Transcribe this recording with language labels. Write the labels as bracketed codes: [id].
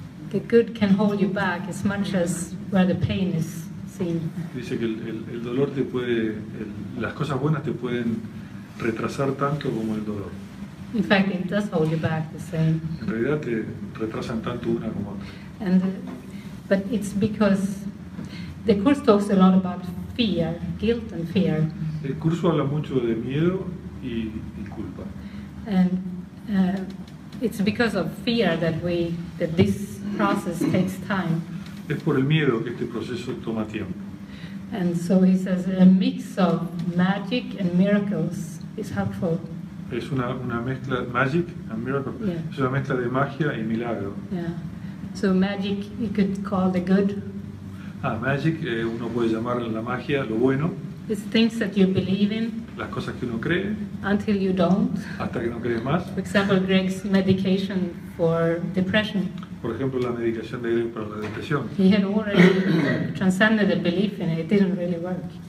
[en] The good can hold you back as much as where the pain is seen. [es] Dice que el dolor te puede, las cosas buenas te pueden retrasar tanto como el dolor. [en] In fact, it does hold you back the same. [es] En realidad te retrasan tanto una como otra. [en] But it's because the course talks a lot about fear, guilt and fear. [es] El curso habla mucho de miedo y culpa. [en] And it's because of fear that this process takes time. [es] Es por el miedo que este proceso toma tiempo. [en] And so he says a mix of magic and miracles is helpful. [es] Es una mezcla [en] magic and miracle. Yeah. [es] Es una mezcla de magia y milagro. [en] Yeah. So magic, you could call the good. [es] Magic, uno puede llamar la magia lo bueno. [en] It's things that you believe in. [es] Las cosas que uno cree. [en] Until you don't. [es] Hasta que no crees más. [en] For example, Greg's medication for depression. [es] Por ejemplo, la medicación de Greg para la depresión. [en] He had already transcended the belief in it. It didn't really work.